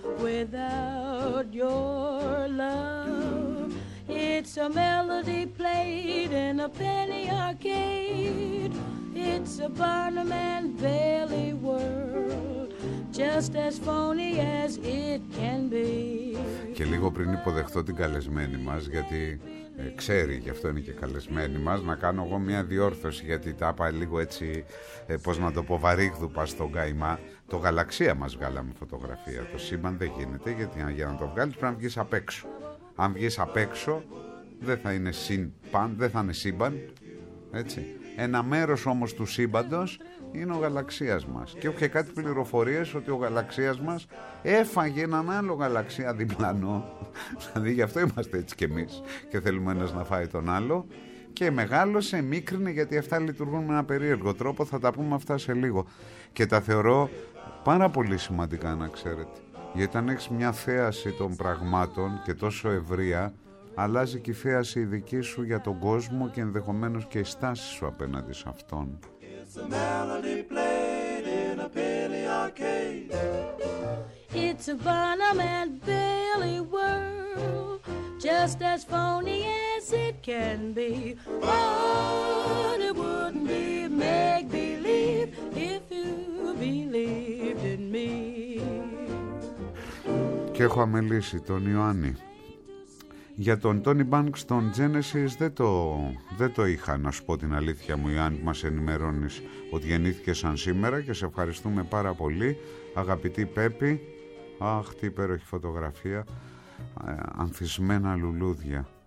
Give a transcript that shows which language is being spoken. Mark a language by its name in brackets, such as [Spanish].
[English] Without your love, it's a melody played in a penny arcade. It's a Barnum and Bailey world, just as phony as it can be. [Greek] Και λίγο πριν υποδεχτώ την καλεσμένη μας, γιατί ξέρει, γι' αυτό είναι και καλεσμένη μας, να κάνω εγώ μια διόρθωση, γιατί τα πάει λίγο έτσι, πώς να το πω, βαρύγδουπα στον καημά. Το γαλαξία μας βγάλαμε φωτογραφία. Το σύμπαν δεν γίνεται, γιατί για να το βγάλεις πρέπει να βγεις απ' έξω. Αν βγεις απ' έξω, δεν θα είναι σύμπαν, δεν θα είναι σύμπαν, έτσι. Ένα μέρος όμως του σύμπαντος είναι ο γαλαξίας μας. Και έχω και κάτι πληροφορίες ότι ο γαλαξίας μας έφαγε έναν άλλο γαλαξία διπλανό. Δηλαδή γι' αυτό είμαστε έτσι κι εμείς και θέλουμε ένας να φάει τον άλλο. Και μεγάλωσε, μίκρινε, γιατί αυτά λειτουργούν με ένα περίεργο τρόπο. Θα τα πούμε αυτά σε λίγο. Και τα θεωρώ πάρα πολύ σημαντικά, να ξέρετε. Γιατί αν έχεις μια θέαση των πραγμάτων και τόσο ευρεία, αλλάζει και η θέαση η δική σου για τον κόσμο και ενδεχομένως και η στάση σου απέναντι σε αυτόν. [English] It's a melody played in a penny arcade. It's a Barnum and Bailey world, just as phony as it can be. But it wouldn't be make-believe if you believed in me. [Greek] Και έχω αμελήσει τον Ιωάννη. Για τον Τόνι Μπάνκ στον Genesis δεν το είχα, να σου πω την αλήθεια μου, Ιωάννη, που μας ενημερώνεις ότι γεννήθηκε σαν σήμερα και σε ευχαριστούμε πάρα πολύ, αγαπητή Πέπη. Αχ, τι υπέροχη φωτογραφία. Ανθισμένα λουλούδια.